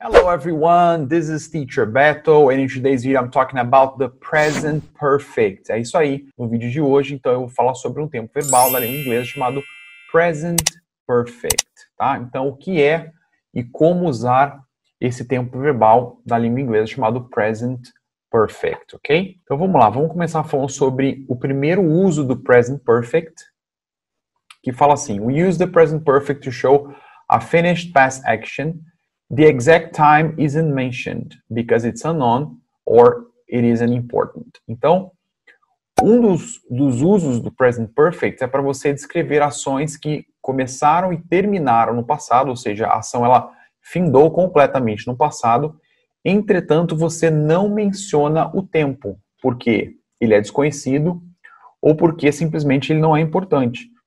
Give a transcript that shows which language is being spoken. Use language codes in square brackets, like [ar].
[en] everyone, this is Teacher Beto, and in today's video I'm talking about the present perfect. [pt] É isso aí, no vídeo de hoje, então eu vou falar sobre um tempo verbal da língua inglesa chamado present perfect, tá? Então, o que é e como usar esse tempo verbal da língua inglesa chamado present perfect, ok? Então, vamos lá, vamos começar falando sobre o primeiro uso do present perfect, que fala assim, [en] we use the present perfect to show a finished past action. The exact time isn't mentioned because it's unknown or it isn't important. [pt] Então, um dos usos do present perfect é para você descrever ações que começaram e terminaram no passado, ou seja, a ação ela findou completamente no passado. Entretanto, você não menciona o tempo porque ele é desconhecido ou porque simplesmente ele não é importante.